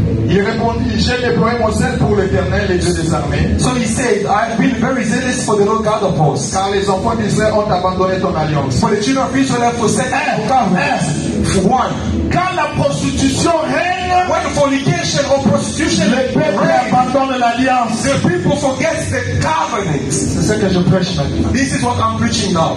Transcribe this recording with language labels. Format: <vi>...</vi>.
<fr>Il répondit, j'ai déployé mon zèle pour l'Éternel, le Dieu des armées.</fr> <en>So he said, I have been very zealous for the Lord God of hosts.</en> <fr>Car les enfants d'Israël ont abandonné ton alliance.</fr> <en>For the children of Israel have forsaken your covenant. One.</en> <fr>Quand la prostitution règne,</fr> <en>when fornication or prostitution,</en> <fr>le peuple abandonne l'alliance.</fr> <en>The people forget the covenant.</en> <fr>C'est ce que je prêche maintenant.</fr> <en>This is what I'm preaching now.</en>